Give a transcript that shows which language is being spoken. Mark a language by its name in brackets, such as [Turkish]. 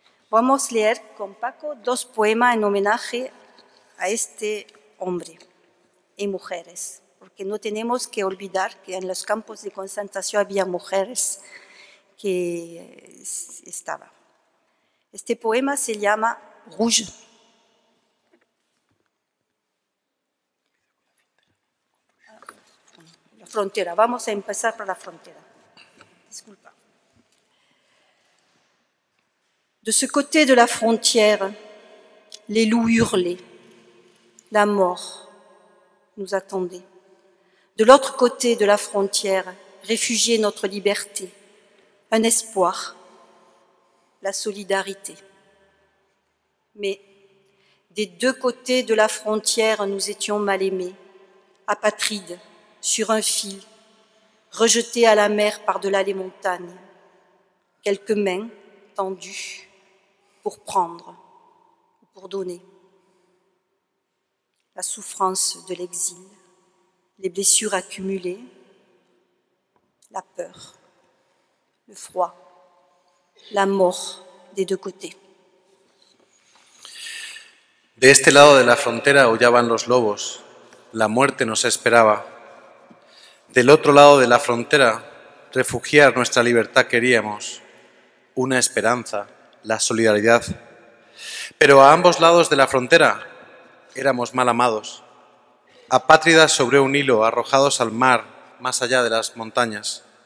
[Spanish] Vamos a leer con Paco dos poemas en homenaje a este hombre y mujeres, porque no tenemos que olvidar que en los campos de concentración había mujeres que estaban. Este poema se llama Rouge. La frontera, vamos a empezar por la frontera. Disculpa. [French] De ce côté de la frontière, les loups hurlaient. La mort nous attendait. De l'autre côté de la frontière, réfugiait notre liberté, un espoir, la solidarité. Mais des deux côtés de la frontière, nous étions mal aimés, apatrides, sur un fil, rejetés à la mer par-delà les montagnes, quelques mains tendues pour prendre ou pour donner. La souffrance de l'exil, les blessures accumulées, la peur, le froid, la mort des deux côtés. [Spanish] De este lado de la frontera aullaban los lobos, la muerte nos esperaba. Del otro lado de la frontera, refugiar nuestra libertad queríamos, una esperanza, la solidaridad. Pero a ambos lados de la frontera éramos mal amados, apátridas sobre un hilo, arrojados al mar, más allá de las montañas.